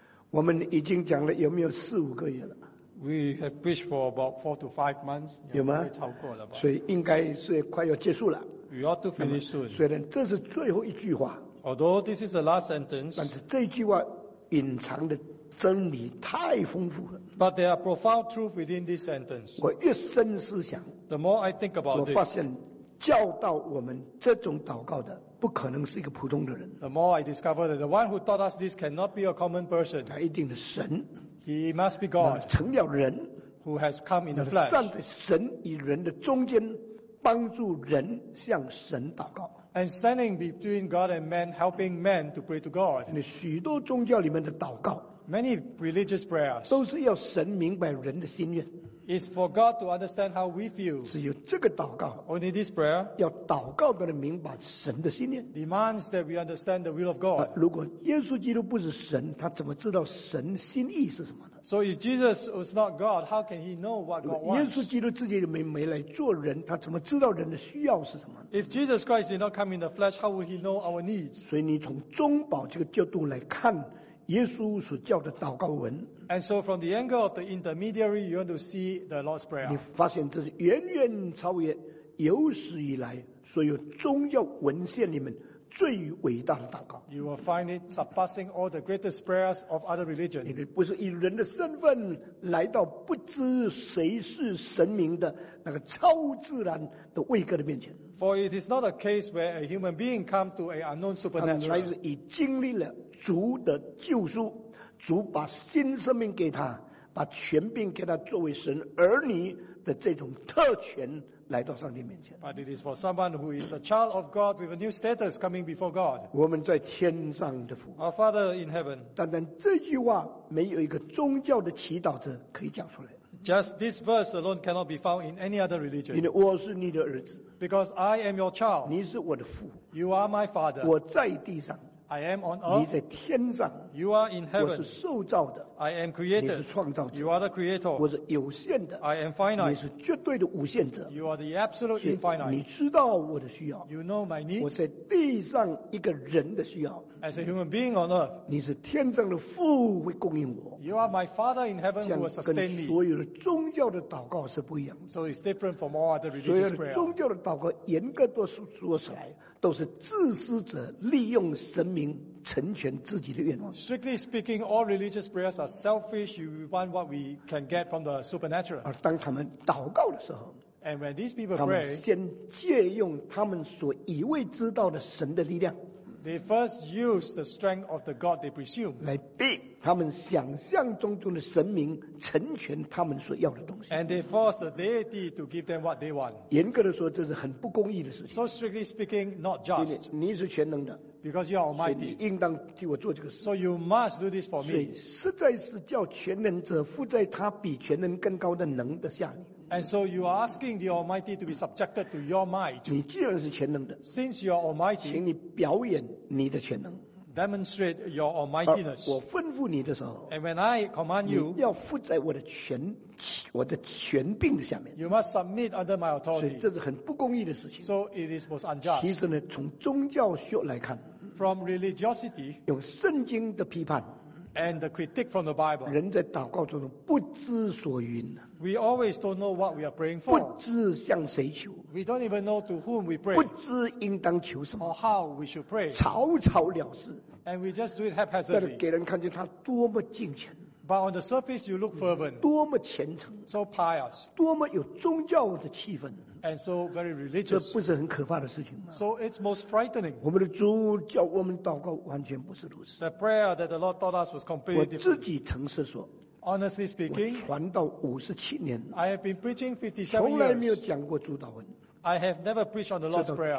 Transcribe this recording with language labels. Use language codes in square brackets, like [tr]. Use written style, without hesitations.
[zh] 我们已经讲了有没有四五个月了 [en] ？We have preached for about 4 to 5 months. [zh] 有吗？超过了吧？所以应该是快要结束了。 [en] We ought to finish soon. [zh] 虽然这是最后一句话 [en] ，although this is the last sentence， [zh] 但是这句话隐藏的真理太丰富了。 [en] But there are profound truth within this sentence. [zh] 我越深思想 [en] ，the more I think about this， [zh] 我发现教导我们这种祷告的。不可能是一个普通的人。 [en] The more I discover that the one who taught us this cannot be a common person， [zh] 他一定是神。 [en] He must be God， [zh] 成了人。 [en] Who has come in the flesh， [zh] 站在神与人的中间，帮助人向神祷告。 [en] And standing between God and man， helping man to pray to God。 [zh] 那许多宗教里面的祷告 [en] ，many religious prayers， [zh] 都是要神明白人的心愿。 [en] Is for God to understand how we feel. [zh] 只有这个祷告 [en] only this prayer [zh] 要祷告的人明白神的心念 [en] demands that we understand the will of God. [zh] 如果耶稣基督不是神，他怎么知道神心意是什么呢？ [en] So if Jesus was not God, how can he know what God wants? [zh] 耶稣基督自己没来做人，他怎么知道人的需要是什么呢？ [en] If Jesus Christ did not come in the flesh, how would he know our needs? [zh] 所以你从中保这个角度来看耶稣所教的祷告文 [en] ，And so from the angle of the intermediary, you want to see the Lord's Prayer. [zh] 你发现这是远远超越有史以来所有宗教文献里面最伟大的祷告。 [en] You will find it surpassing all the greatest prayers of other religions. [zh] 你不是以人的身份来到不知谁是神明的那个超自然的位格的面前。 [en] For it is not a case where a human being come to an unknown supernatural. [zh] 他来自已经历了主的救赎，主把新生命给他，把权柄给他，作为神儿女的这种特权来到上帝面前。 [en] But it is for someone who is the child of God with a new status coming before God. [zh] 我们在天上的父 [en] ，Our Father in heaven. [zh] 但这句话没有一个宗教的祈祷者可以讲出来。 [en] Just this verse alone cannot be found in any other religion. [zh] 因为我是你的儿子 [en] ，Because I am your child. [zh] 你是我的父 [en] ，You are my father. [zh] 我在地上。 [en] I am on earth. [zh] 你在天上。 [en] You are in heaven. [zh] 我是受造的。 [en] I am created. [zh] 你是创造者。 [en] You are the creator. [zh] 我是有限的。 [en] I am finite. [zh] 你是绝对的无限者。 [en] You are the absolute infinite. [zh] 你知道我的需要。 [en] You know my needs. [zh] 我在地上一个人的需要。 [en] As a human being on earth. [zh] 你是天上的父会供应我。 [en] You are my father in heaven who will sustain me. [zh] 跟所有的宗教的祷告是不一样的。 [en] So it's different from all other religious prayer. [zh] 所有的宗教的祷告严格都说出来。都是自私者利用神明成全自己的愿望。 [en] Strictly speaking, all religious prayers are selfish. You want what we can get from the supernatural. [zh] 而当他们祷告的时候 [en] ，And when these people pray, [zh] 他们先借用他们所以为知道的神的力量 [en] ，They first use the strength of the God they presume [zh] 来逼他们想象中的神明成全他们所要的东西。 [en] And they force the deity to give them what they want. [zh] 严格的说，这是很不公义的事情。 [en] So strictly speaking, not just. [zh] 你是全能的。 [en] Because you are almighty. [zh] 所以你应当替我做这个事。 [en] So you must do this for me. [zh] 所以实在是叫全能者附在他比全能更高的能的下面。 [en] And so you are asking the Almighty to be subjected to your might. [zh] 你既然是全能的。 [en] Since you are almighty. [zh] 请你表演你的全能。 [en] Demonstrate your almightiness. [zh] 我吩咐你的时候 [en] ，And when I command you, [zh] 你要附在我的权柄的下面。 [en] You must submit under my authority. [zh] 所以这是很不公义的事情。 [en] So it is most unjust. [zh] 其实呢，从宗教学来看 [en] ，From religiosity, [zh] 用圣经的批判 [en] ，And the critique from the Bible. [zh] 人在祷告中不知所云。 [en] We always don't know what we are praying for. [zh] 不知向谁求。 [en] We don't even know to whom we pray. [zh] 不知应当求什么。 [en] Or how we should pray. [zh] 草草了事。 [en] And we just do it haphazardly. [zh] 但是给人看见他多么敬虔。 [en] But on the surface, you look fervent. [zh] 多么虔诚。 [en] So pious. [zh] 多么有宗教的气氛。 [en] And so very religious. [zh] 这不是很可怕的事情吗？ [en] So it's most frightening. [zh] 我们的主教我们祷告完全不是如此。 [en] The prayer that the Lord taught us was completely different. [zh] 我自己诚实说。 [en] Honestly speaking, [zh] 我传道57年 [en] I have been preaching 57 years. [zh] 从来没有讲过主祷文。 [en] I have never preached on the Lord's Prayer.